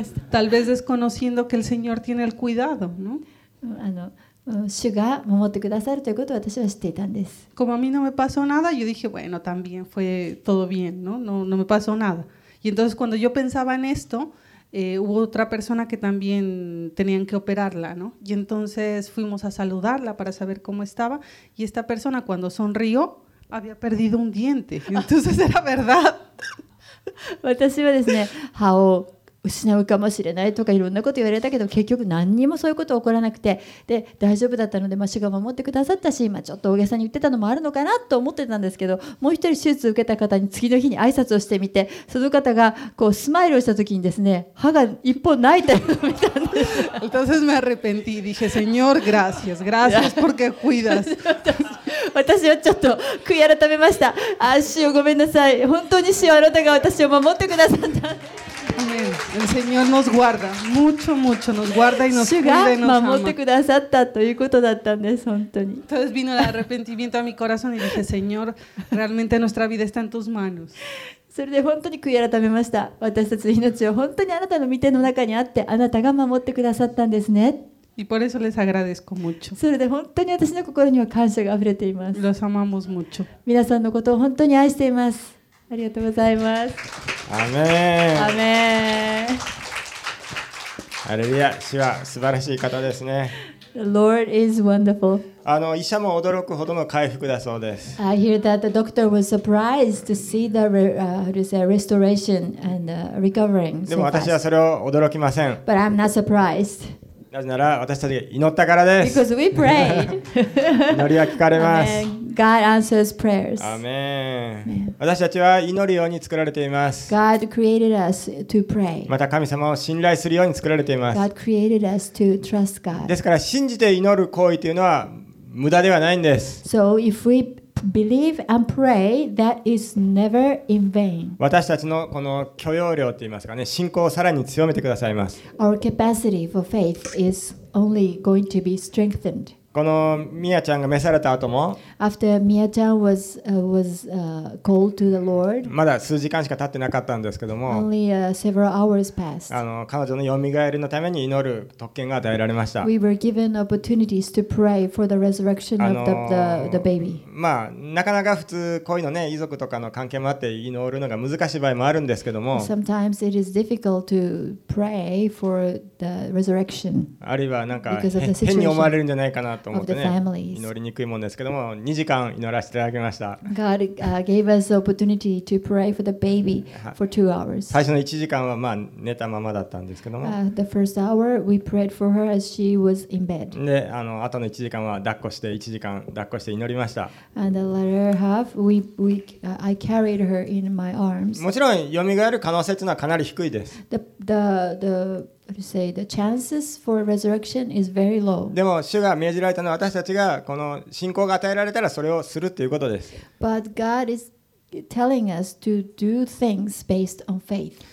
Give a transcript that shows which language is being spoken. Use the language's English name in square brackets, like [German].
[Spanish] Tal vez desconociendo que el Señor tiene el cuidado, ¿no? [Japanese] 主が守ってくださるということを私は知っていたんです。 [Spanish] Como a mí no me pasó nada, yo dije, bueno, también fue todo bien, ¿no? No me pasó nada. Y entonces cuando yo pensaba en esto,hubo otra persona que también tenían que operarla, ¿no? Y entonces fuimos a saludarla para saber cómo estaba. Y esta persona, cuando sonrió, había perdido un diente. Entonces era verdad. [Japanese] 私はですね、歯を失うかもしれないとかいろんなこと言われたけど、結局何にもそういうこと起こらなくて、で大丈夫だったので、主が守ってくださったし、今ちょっと大げさに言ってたのもあるのかなと思ってたんですけど、もう一人手術を受けた方に次の日に挨拶をしてみて、その方がこうスマイルをした時にですね、歯が一本ないと言ったんです。 [Spanish] Entonces me arrepentí, dije, Señor, gracias, gracias porque cuidas. [Japanese] 私はちょっと悔い改めました。主よ、ごめんなさい。本当に主よ、あなたが私を守ってくださった。 [Spanish] El Señor nos guarda, mucho, mucho, nos guarda y nos cuida y nos ama. [Japanese] 守ってくださったということだったんです、本当に。 [Spanish] Entonces vino el arrepentimiento a mi corazón y dije, Señor, realmente nuestra vida está en tus manos. [Japanese] それで本当に悔い改めました。私たちの命は本当にあなたの御手の中にあって、あなたが守ってくださったんですね。 [Spanish] Y por eso les agradezco mucho. [Japanese] それで本当に私の心には感謝があふれています。 [Spanish] Los amamos mucho. [Japanese] 皆さんのことを本当に愛しています。ありがとうございます。アメン。アメン。ハレルヤ、主は素晴らしい方ですね。 [English] The Lord is wonderful. [Japanese] 医者も驚くほどの回復だそうです。 [English] I hear that the doctor was surprised to see the restoration and recovering. [Japanese] でも私はそれを驚きません。 [English] But I'm not surprised. [Japanese] なぜなら私たちが祈ったからです。 [English] Because we prayed. [Japanese] 祈りは聞かれます。 [English] God answers prayers. [Japanese] アメン。私たちは祈るように作られています。 [English] God created us to pray. [Japanese] また神様を信頼するように作られています。 [English] God created us to trust God. [Japanese] ですから信じて祈る行為というのは無駄ではないんです。 [English] So if we believe and pray, that is never in vain. [Japanese] 私たちのこの許容量といいますかね、信仰をさらに強めてくださいます。 [English] Our capacity for faith is only going to be strengthened. [Japanese] このミヤちゃんが召された後も、 [English] After Mia Chan was called to the Lord, [Japanese] まだ数時間しか経ってなかったんですけども、 [English] Only several hours passed. [Japanese] 彼女のよみがえりのために祈る特権が与えられました。 [English] We were given opportunities to pray for the resurrection of the baby. [Japanese] まあなかなか普通こういうのね、遺族とかの関係もあって祈るのが難しい場合もあるんですけども、 [English] Sometimes it is difficult to pray for the resurrection. [Japanese] あるいはなんか変に思われるんじゃないかなと思ってね、祈りにくいもんですけども。 2時間祈らせていただきました。 [English] God gave us the opportunity to pray for the baby for two hours. [Japanese] 最初の1時間はまあ寝たままだったんですけども。 [English] The first hour we prayed for her as she was in bed. [Japanese] で、あとの1時間は抱っこして1時間抱っこして祈りました。 [English] And the latter half I carried her in my arms. [Japanese] もちろん蘇る可能性というのはかなり低いです。 [English] The chances for resurrection is very low. [Japanese] でも主が命じられたのは私たちがこの信仰が与えられたらそれをするということです。 [English] But God is telling us to do things based on faith.